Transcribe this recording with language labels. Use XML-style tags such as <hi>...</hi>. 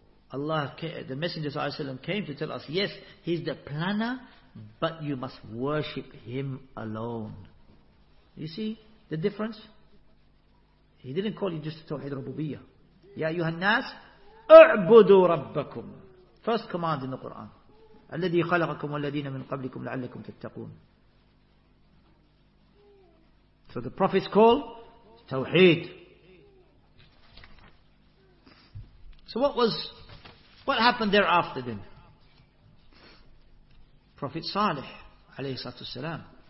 <en>Allah, the Messenger ﷺ came to tell us, yes, He's the planner, but you must worship Him alone. You see the difference? He didn't call you just to tawhid rububiyyah.</en> <ar>Ya ayyuhan nas, اعبدوا ربكم.</ar> <en>First command in the Quran.</en> <ar>الذي خلقكم والذين من قبلكم لعلكم تتقون.</ar> <en>So the Prophet's call, tawhid. So what happened thereafter then? Prophet Salih, alayhi salatu salam.</en>